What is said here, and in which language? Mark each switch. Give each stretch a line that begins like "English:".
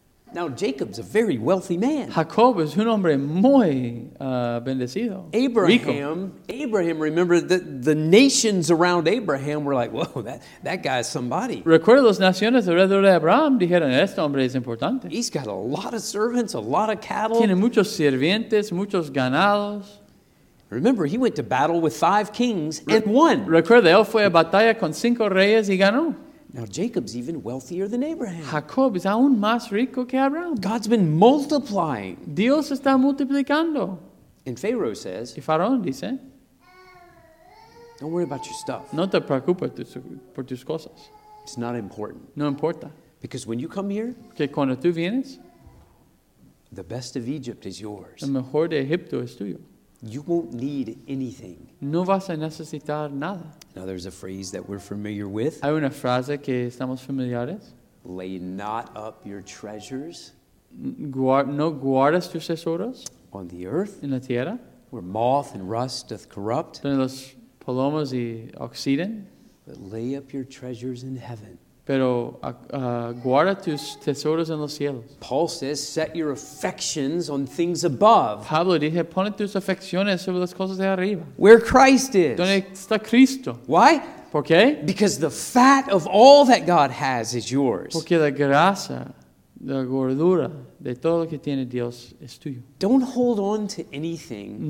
English: Now, Jacob's a very wealthy man.
Spanish: Jacob es un hombre muy bendecido.
English: Abraham, remember, the nations around Abraham were like, whoa, that guy's somebody.
Spanish: Recuerda las naciones alrededor de Abraham, dijeron, este hombre es importante.
English: He's got a lot of servants, a lot of cattle.
Spanish: Tiene muchos sirvientes, muchos ganados.
English: Remember, he went to battle with five kings and won.
Spanish: Recuerda, él fue a batalla con cinco reyes y ganó.
English: Now Jacob's even wealthier than Abraham.
Spanish: Jacob es aún más rico que Abraham.
English: God's been multiplying.
Spanish: Dios está multiplicando.
English: And Pharaoh says,
Spanish: y Faraón dice,
English: don't worry about your stuff.
Spanish: No te preocupes por tus cosas.
English: It's not important.
Spanish: No importa.
English: Because when you come here,
Spanish: que cuando tú vienes,
English: the best of Egypt is yours.
Spanish: El mejor de Egipto es tuyo.
English: You won't need anything.
Spanish: No vas a necesitar nada.
English: Now there's a phrase that we're familiar with.
Spanish: Hay una frase que estamos familiares.
English: Lay not up your treasures.
Spanish: No guardas tus tesoros.
English: On the earth.
Spanish: En la tierra.
English: Where moth and rust doth corrupt.
Spanish: Donde los palomos y oxidan.
English: But lay up your treasures in heaven.
Spanish: Pero guarda tus tesoros en los cielos.
English: Paul says, set your affections on things above.
Spanish: Pablo dice, pon tus afecciones sobre las cosas de arriba.
English: Where Christ is.
Spanish: Donde está Cristo.
English: Why?
Spanish: ¿Por qué?
English: Because the fat of all that God has is yours.
Spanish: Porque la grasa, la gordura de todo lo que tiene Dios es tuyo.
English: Don't hold on to anything.